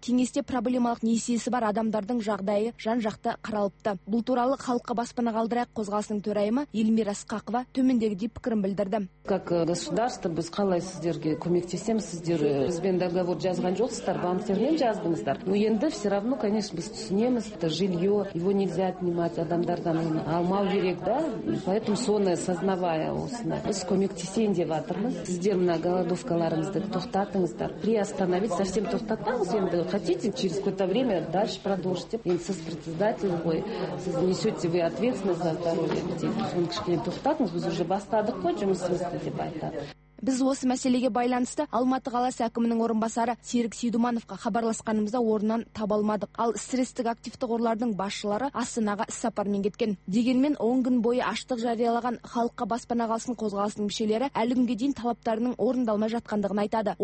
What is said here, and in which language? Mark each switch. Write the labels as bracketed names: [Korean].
[Kazakh] Кеңесте проблемалық несиесі бар адамдардың жағдайы жан-жақты қаралыпты. Бұл туралы халыққа баспана қалдырайық қозғалысының төрайымы Елмира Ысқақова төмендегідей пікірін білдірді. Как государство, біз қалай сіздерге көмектесеміз? Сіздер бізбен договор жазған жоқсыздар, банктермен жаздыңыздар. [Russian] Но енді все равно, конечно, біз түсінеміз, это жилье, его нельзя отнимать, адамдардан алмау керек, да? Поэтому соны сознавая осыны, біз көмек [Kazakh] көмектесейін деп жатырмыз. Сіздер мына голодовкаларыңызды тоқтатыңыздар. [Russian] Приостановить совсем тоқтатпаңыз. Енді хотите через какое-то время дальше продолжите. Енді сіз председатель ғой. Сіз несете вы ответственность за здоровье людей. [Kazakh] Сіз кішкене тоқтатыңыз. Біз уже бастадық қой жұмысымызды деп айтады. Біз осы мәселеге байланысты Алматы қаласы әкімінің орынбасары Серік Сейдумановқа хабарласқанымызда орнынан таба алмадық. Ал стрестік активті қорлардың басшылары Астанаға іссапармен кеткен. Дегенмен 10 күн бойы аштық жариялаған халыққа баспана қалсын қозғалысының мүшелері әлі күнге дейін талаптарының орындалмай жатқандығын айтады.